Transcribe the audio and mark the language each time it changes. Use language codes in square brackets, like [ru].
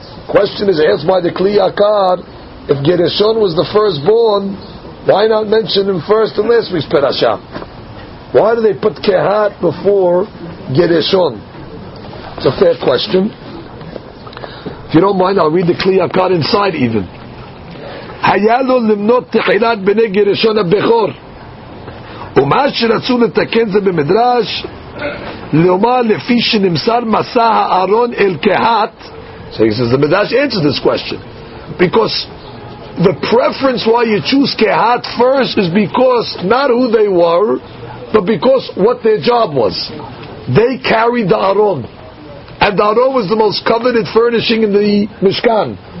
[en] Question is asked by the Kli Yakar, if Gereshon was the firstborn, why not mention him first in last week's parasha? Why do they put Kehat before Gereshon? It's a fair question. If you don't mind, I'll read the Kli Yakar inside even. [he] Hayalo limnot techilat b'nei Gereshon ha-Bechor. ומה שרצו לתקן זה במדרש לומר לפי שנמסר מסע הארון אל קהת. [en] So he says the Midrash answers this question, because the preference why you choose Kehat first is because not who they were, but because what their job was. They carried the Aron, and the Aron was the most coveted furnishing in the Mishkan.